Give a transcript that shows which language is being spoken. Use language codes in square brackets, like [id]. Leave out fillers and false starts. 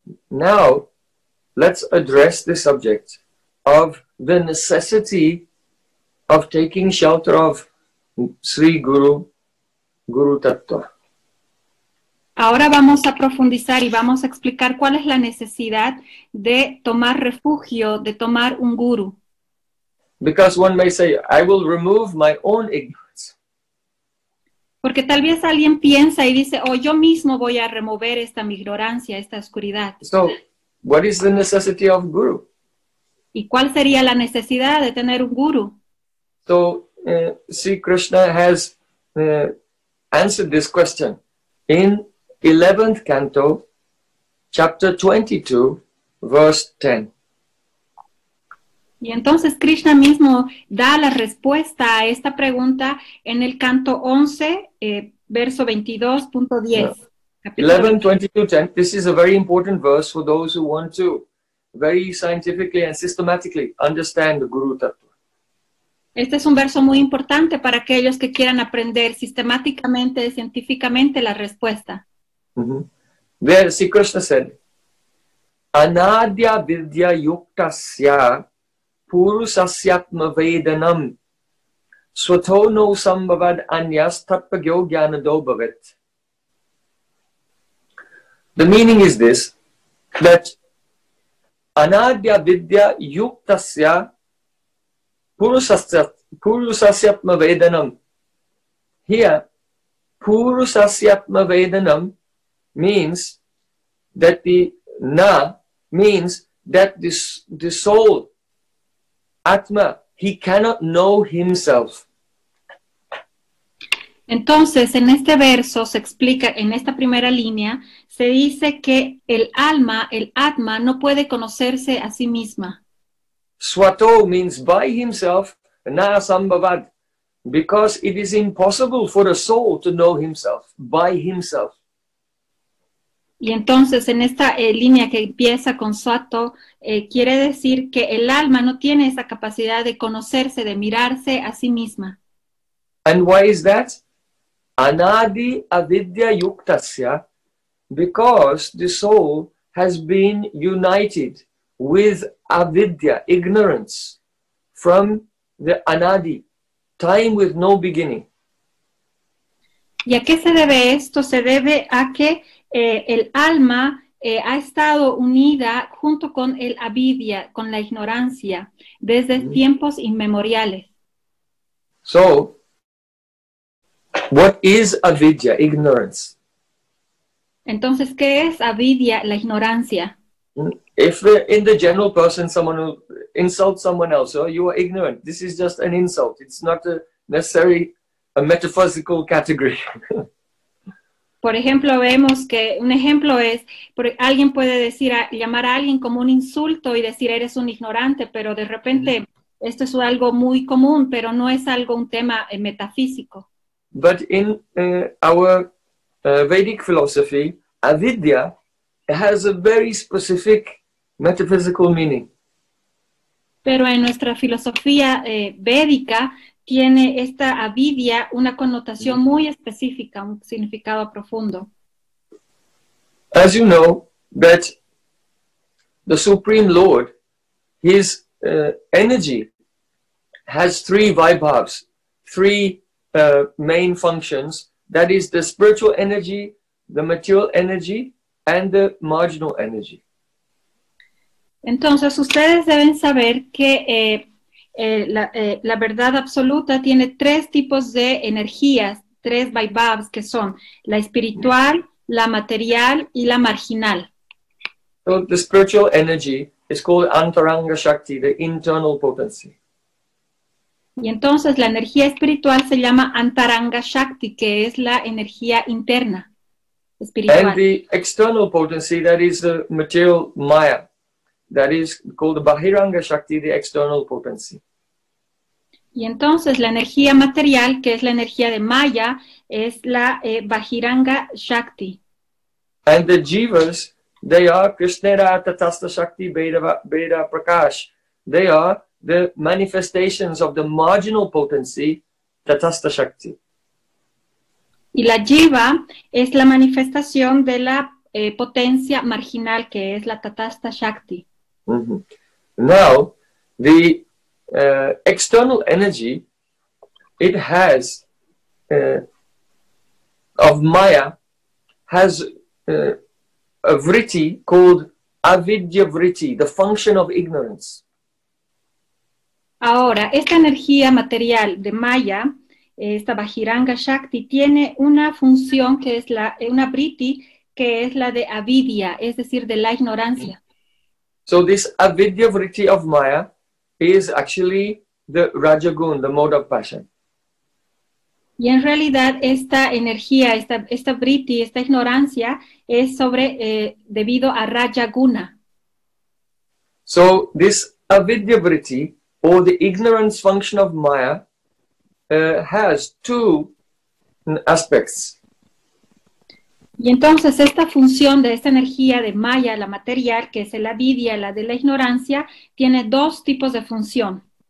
[en] Now, let's address the subject of the necessity of taking shelter of Sri Guru, Guru Tattva. [es] Ahora vamos a profundizar y vamos a explicar cuál es la necesidad de tomar refugio, de tomar un guru. [en] Because one may say, I will remove my own ignorance. [es] Porque tal vez alguien piensa y dice, oh, yo mismo voy a remover esta mi ignorancia, esta oscuridad. [en] So, what is the necessity of guru? [es] ¿Y cuál sería la necesidad de tener un guru? [en] So, see, Krishna has answered this question in 11th canto, chapter 22, verse 10. [es] Y entonces Krishna mismo da la respuesta a esta pregunta en el canto 11, verso 22.10. [en] No. 11.22.10, this is a very important verse for those who want to very scientifically and systematically understand the Guru Tattva. [es] Este es un verso muy importante para aquellos que quieran aprender sistemáticamente, científicamente la respuesta. [en] There, see, Krishna said, [sa] Anadya Vidya Yuktasya Purusasyatma Vedanam Svato no sambhavad anyas tatpa gyogyana do bhavet. [en] The meaning is this, that [sa] anadya vidya yuktasya purusasyatma vedanam. [en] Here, purusasyatma vedanam means that the na means that the soul, atma, he cannot know himself. [es] Entonces, en este verso se explica, en esta primera línea, se dice que el alma, el atma, no puede conocerse a sí misma. [en] Swato means by himself, [sa] na sambhavad, [en] because it is impossible for a soul to know himself, by himself. [es] Y entonces, en esta línea que empieza con Swato, quiere decir que el alma no tiene esa capacidad de conocerse, de mirarse a sí misma. [en] And why is that? [sa] Anadi avidya yuktasya, [en] because the soul has been united with avidya, ignorance, from the anadi, time with no beginning. [es] ¿Y a qué se debe esto? Se debe a que el alma ha estado unida junto con el avidya, con la ignorancia, desde tiempos inmemoriales. [en] So, what is avidya? Ignorance. [es] Entonces, ¿qué es avidya? La ignorancia. [en] If in the general person someone will insult someone else, oh, you are ignorant. This is just an insult. It's not a necessary a metaphysical category. [es] Por ejemplo, vemos que un ejemplo es, alguien puede decir, llamar a alguien como un insulto y decir eres un ignorante, pero de repente esto es algo muy común, pero no es algo, un tema metafísico. [en] But in our Vedic philosophy, avidya has a very specific metaphysical meaning. [es] Pero en nuestra filosofía védica tiene esta avidya una connotación muy específica, un significado profundo. [en] As you know, that the Supreme Lord, his energy has three vibhavs, three main functions, that is the spiritual energy, the material energy, and the marginal energy. [es] Entonces, ustedes deben saber que la verdad absoluta tiene tres tipos de energías, tres vaibhavs, que son la espiritual, la material y la marginal. [en] So the spiritual energy is called antaranga shakti, the internal potency. [es] Y entonces la energía espiritual se llama antaranga shakti, que es la energía interna espiritual. [en] And the external potency, that is the material maya, that is called bahiranga shakti, the external potency. [es] Y entonces la energía material, que es la energía de maya, es la bahiranga shakti. [en] And the jivas, they are [bn] krishnera tatasta shakti beda prakash. [en] They are the manifestations of the marginal potency, tatastha shakti. [es] Y la jiva es la manifestación de la potencia marginal, que es la tatastha shakti. Mm-hmm. [en] Now, the external energy, it has, of maya, has a vritti called avidya vritti, the function of ignorance. [es] Ahora, esta energía material de Maya, esta Bahiranga Shakti, tiene una función que es la, una vritti, que es la de avidya, es decir, de la ignorancia. [en] So this avidya vritti of Maya is actually the Rajagun, the mode of passion. [es] Y en realidad esta energía, esta vritti, esta ignorancia, es sobre, debido a Rajaguna. [en] So this avidya vritti, or the ignorance function of Maya, has two aspects. [es] Y entonces esta función de esta energía de Maya, la material, que es el avidya, la de la ignorancia, tiene dos tipos de función.